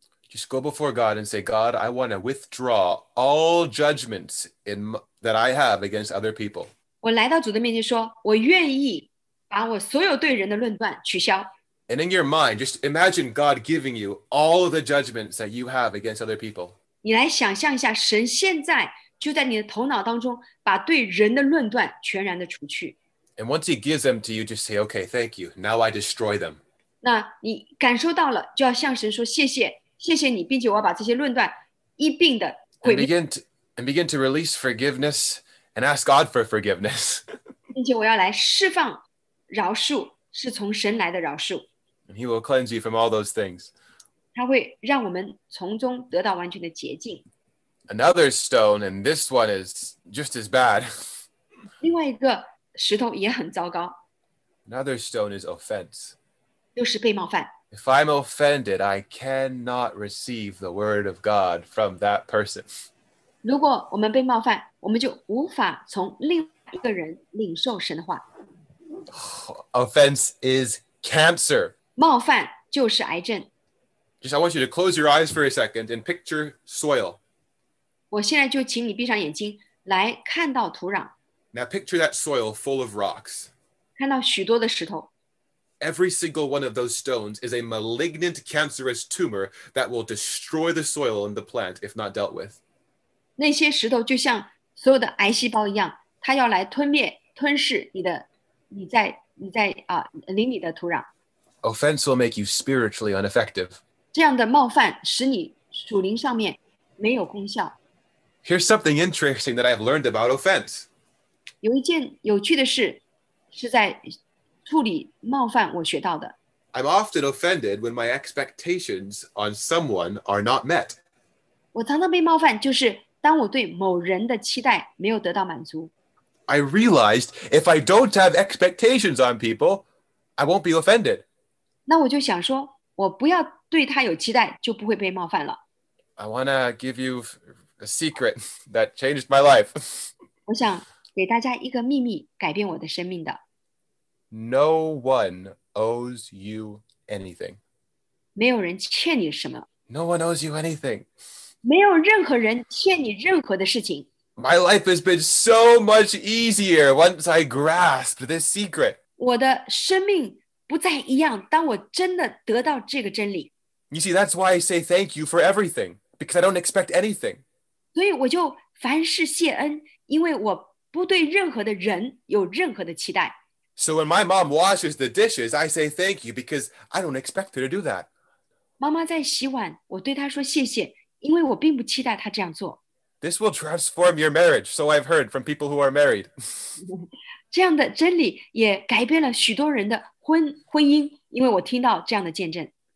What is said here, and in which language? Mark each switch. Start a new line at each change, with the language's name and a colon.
English: Just go before God and say, God, I want to withdraw all judgments that I have against other people.
Chinese: 我来到主的面前说，我愿意把我所有对人的论断取消。
English: And in your mind, just imagine God giving you all the judgments that you have against other people.
Chinese: 你来想象一下，神现在就在你的头脑当中把对人的论断全然的除去。
English: And once he gives them to you, just say, okay, thank you. Now I destroy them.
Chinese: 那你感受到了，就要向神说谢谢，谢谢你，并且我要把这些论断一并的毁灭。
English: And begin to release forgiveness and ask God for forgiveness.
Chinese: 并且我要来释放饶恕，是从神来的饶恕。
English: And he will cleanse you from all those things.
Chinese: 他会让我们从中得到完全的洁净。
English: Another stone, and this one is just as bad.
Chinese: 另外一个石头也很糟糕。
English: Another stone is offense.
Chinese: 就是被冒犯。
English: If I'm offended, I cannot receive the word of God from that person.
Chinese: 如果我们被冒犯，我们就无法从另一个人领受神的话。
English: Offense is cancer.
Chinese: 冒犯就是癌症。
English: Just I want you to close your eyes for a second and picture soil.
Chinese: 我现在就请你闭上眼睛来看到土壤。
English: Now picture that soil full of rocks.
Chinese: 看到许多的石头。
English: Every single one of those stones is a malignant cancerous tumor that will destroy the soil and the plant if not dealt with.
Chinese: 那些石头就像所有的癌细胞一样，它要来吞灭、吞噬你的，你在啊，领你的土壤。
English: Offense will make you spiritually ineffective.
Chinese: 这样的冒犯使你属灵上面没有功效。
English: Here's something interesting that I've learned about offense.
Chinese: 有一件有趣的事是在。处理冒犯我学到的。
English: I'm often offended when my expectations on someone are not met.
Chinese: 我常常被冒犯就是当我对某人的期待没有得到满足。
English: I realized if I don't have expectations on people, I won't be offended.
Chinese: 那我就想说我不要对他有期待就不会被冒犯了。
English: I wanna give you a secret that changed my life.
Chinese: 我想给大家一个秘密改变我的生命的。
English: No one owes you anything.
Chinese: 没有人欠你什么。
English: No one owes you anything.
Chinese: 没有任何人欠你任何的事情。
English: My life has been so much easier once I grasped this secret.
Chinese: 我的生命不再一样，当我真的得到这个真理。
English: You see, that's why I say thank you for everything, because I don't expect anything.
Chinese: 所以我就凡事谢恩，因为我不对任何的人有任何的期待。
English: So when my mom washes the dishes, I say thank you because I don't expect her to do that.
Chinese: 妈妈在洗碗，我对她说谢谢，因为我并不期待她这样做。
English: This will transform your marriage, so I've heard from people who are married.
Chinese: 这样的真理也改变了许多人的婚姻，因为我听到这样的见证。